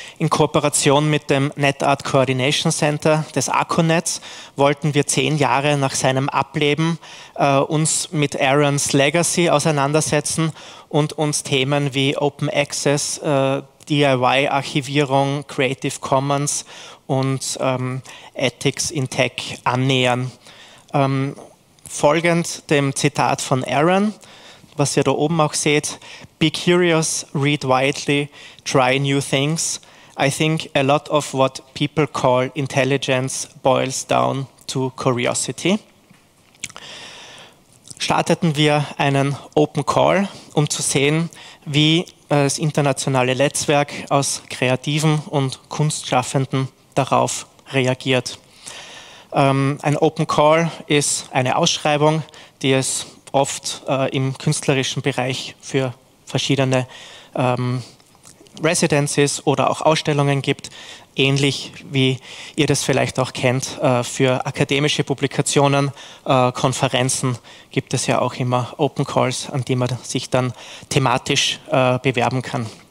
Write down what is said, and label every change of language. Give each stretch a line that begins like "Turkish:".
German: In Kooperation mit dem NetArt Coordination Center des ACONETs wollten wir 10 Jahre nach seinem Ableben uns mit Aarons Legacy auseinandersetzen und uns Themen wie Open Access, DIY-Archivierung, Creative Commons und Ethics in Tech annähern. Folgend dem Zitat von Aaron, was ihr da oben auch seht:
English: Be curious, read widely, try new things. I think a lot of what people call intelligence boils down to curiosity.
German: Starteten wir einen Open Call, um zu sehen, wie das internationale Netzwerk aus Kreativen und Kunstschaffenden darauf reagiert. Ein Open Call ist eine Ausschreibung, die es oft im künstlerischen Bereich für verschiedene Residences oder auch Ausstellungen gibt, ähnlich wie ihr das vielleicht auch kennt für akademische Publikationen, Konferenzen gibt es ja auch immer Open Calls, an die man sich dann thematisch bewerben kann.